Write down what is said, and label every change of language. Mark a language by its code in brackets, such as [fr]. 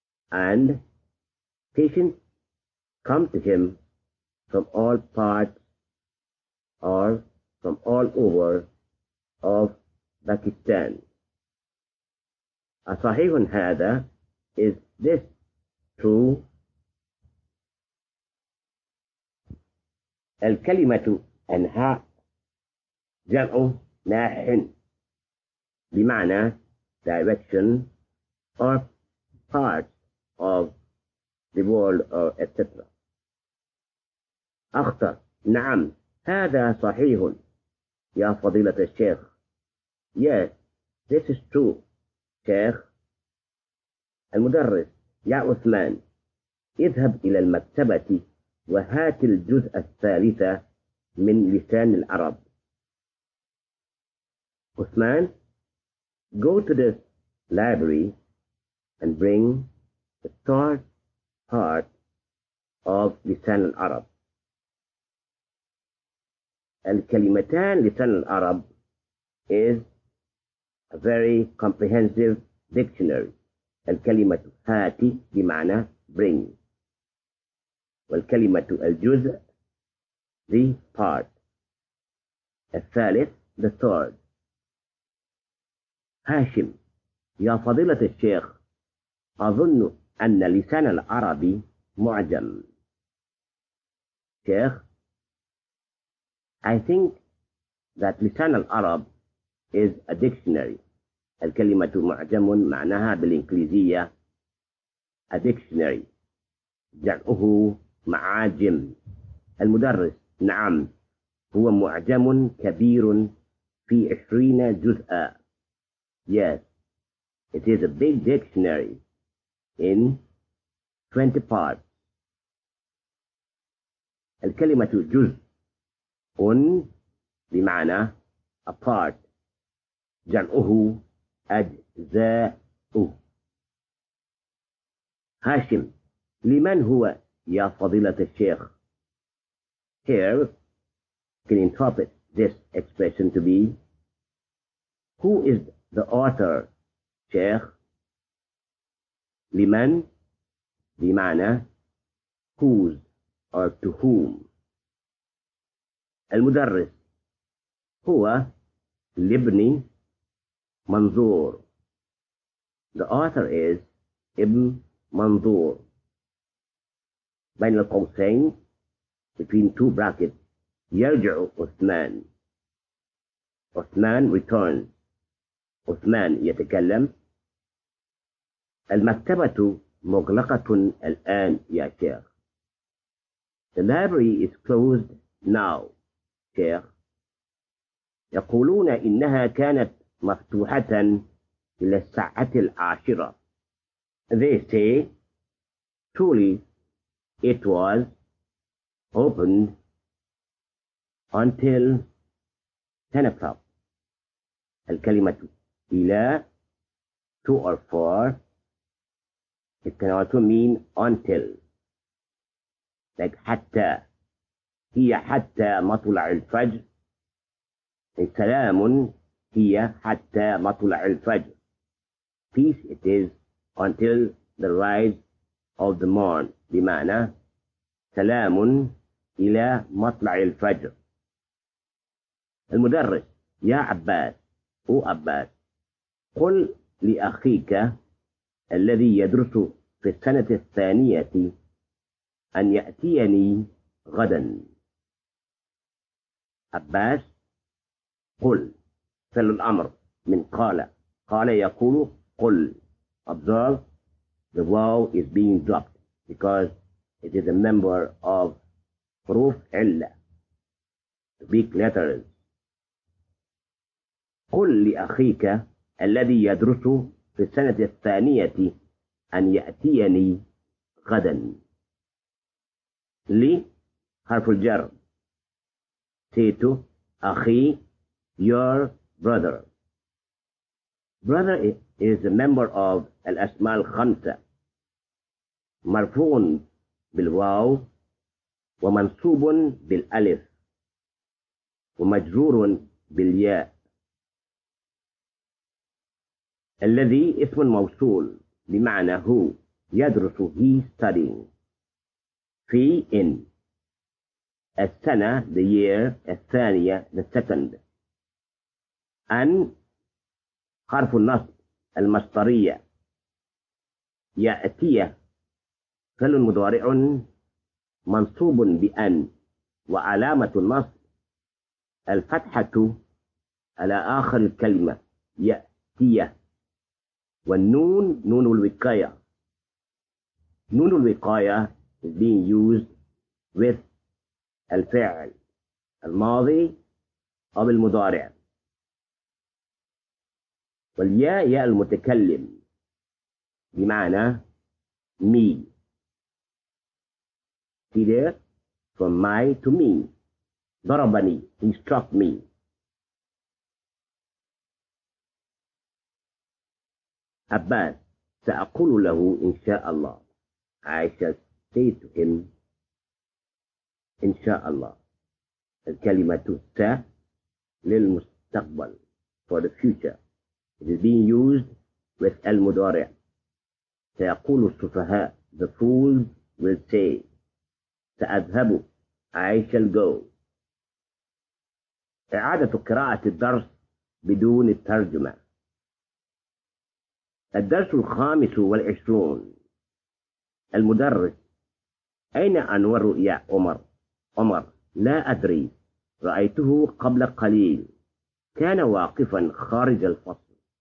[en] And patients come to him from all parts or from all over of Pakistan. [ar] أصحيح هذا؟ [en] Is this true? [ar] الكلمة أنحاء جمع ناح بمعنى [en] direction or part of the world or etc. [ar] أخطر نعم هذا صحيح يا فضيلة الشيخ. [en] Yes, this is true, شيخ. [ar] المدرس يا عثمان اذهب إلى المكتبة وهات الجزء الثالث من لسان العرب. [en] عثمان, go to the library and bring the third part of لسان العرب. [ar] الكلمتان [en] لسان العرب is a very comprehensive dictionary. [ar] الكلمة هاتي بمعنى bring. والكلمة الجزء [en] the part. الثالث the third. [ar] هاشم, يا فضيلة الشيخ, أظن أن لسان العربي معجم. [en] شيخ, I think that لسان العرب is a dictionary. [ar] الكلمة معجم معناها بالإنجليزية [en] a dictionary. [ar] جمعه معاجم. المدرس, نعم, هو معجم كبير في 20 جزءا. [en] Yes, it is a big dictionary in 20 parts. [ar] الكلمة جزء un بمعنى [en] a part. [ar] جمعه اجزاء. هاشم, لمن هو يا فضيلة الشيخ؟ [en] Here, can interpret this expression to be who is the author, شيخ؟ [ar] لمن بمعنى [en] whose or to whom. [ar] المدرس هو لابن منظور. [en] The author is ابن منظور. [ar] بين القوسين [en] between 2 brackets [ar] يرجع عثمان. عثمان returns. عثمان يتكلم. المكتبة مغلقة الآن يا شيخ. [en] The library is closed now. [ar] يقولون إنها كانت مفتوحة إلى الساعة العاشرة. [en] They say, truly, it was opened until 10 o'clock. الكلمة إلى, to or for, it can also mean until. [ar] Like حتى, هي حتى مطلع الفجر. السلام هي حتى مطلع الفجر. [en] Peace it is until the rise of the morn. [ar] بمعنى سلام إلى مطلع الفجر. المدرس يا عباس أو عباس قل لأخيك الذي يدرس في السنة الثانية أن يأتيني غدا. عباس قل فعل الأمر من قال قال يقول قل. [en] Observe, the vowel is being dropped because it is a member of حروف علة, the big letters. [ar] قل لأخيك الذي يدرس في السنة الثانية أن يأتيني غدا. لي حرف الجر. [en] Say to أخي, your brother. Brother is a member of [ar] الأسماء الخمسة, مرفوع بالواو ومنصوب بالألف ومجرور بالياء. الذي اسم موصول بمعنى هو, يدرس, [en] he studying. [ar] في, in. [en] السنة, the year. الثانية, the second. [ar] أن, حرف النصب, المصدرية. يأتي, فعل مضارع منصوب بأن, وعلامة النصب الفتحة على آخر الكلمة, يأتي. والنون, نون الوقاية. نون الوقاية [en] is being used with [ar] الفعل الماضي أو المضارع. والياء ياء المتكلم بمعنى me. [en] See there, from my to me. ضربني, he struck me. [ar] عباس, سأقول له إن شاء الله. [en] I shall say to him, [ar] إن شاء الله. الكلمة ت للمستقبل, [en] for the future. It is being used with المضارع. [ar] سيقول السفهاء, [en] the fools will say. سأذهب, I shall go. [ar] إعادة قراءة الدرس بدون الترجمة. الدرس الخامس والعشرون. المدرس, أين أنور يا عمر؟ عمر, لا أدري, رأيته قبل قليل, كان واقفا خارج الفصل.